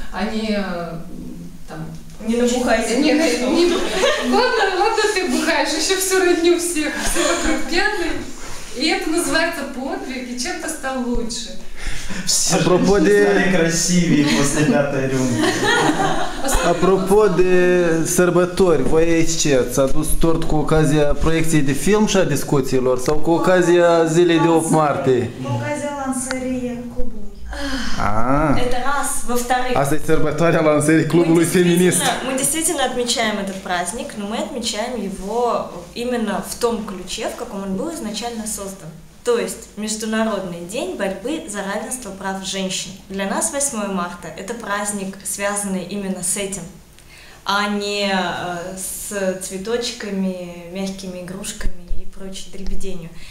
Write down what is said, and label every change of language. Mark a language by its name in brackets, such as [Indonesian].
[Russian] Они там... Не набухайся. Вот ты бухаешь, еще всю родню всех, все вокруг пьяные. И это называется подвиг, и чем-то стал лучше. Все стали красивее после пятой рюмки. [Romanian] Апропо де сărbători, voi aici ce? Ați adus tort cu ocazia proiecției de film și a discuțiilor? Sau cu ocazia zilei de 8 martie? Cu ocazia lansării clubului. [Russian] Это раз. Во-вторых. [Romanian] Asta e sărbătoarea lansării clubului feminist. [Russian] Мы действительно отмечаем этот праздник, но мы отмечаем его именно в том ключе, в каком он был изначально создан. То есть Международный день борьбы за равенство прав женщин. Для нас 8 марта это праздник, связанный именно с этим, а не с цветочками, мягкими игрушками и прочей дребеденью.